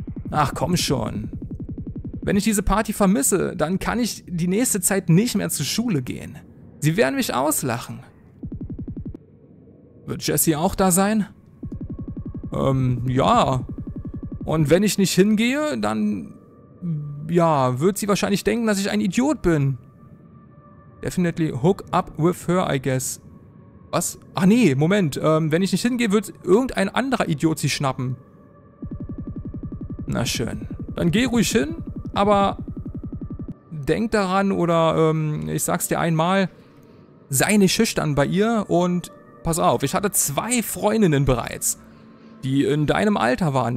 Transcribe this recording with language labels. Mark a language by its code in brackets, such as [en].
[de] Ach, komm schon. Wenn ich diese Party vermisse, dann kann ich die nächste Zeit nicht mehr zur Schule gehen. Sie werden mich auslachen. Wird Jessie auch da sein? Ja. Und wenn ich nicht hingehe, dann... Ja, wird sie wahrscheinlich denken, dass ich ein Idiot bin. [en] Definitely hook up with her, I guess. [de] Was? Ach nee, Moment. Wenn ich nicht hingehe, wird irgendein anderer Idiot sie schnappen. Na schön. Dann geh ruhig hin, aber denk daran oder ich sag's dir einmal, sei nicht schüchtern bei ihr und pass auf, ich hatte zwei Freundinnen bereits, die in deinem Alter waren.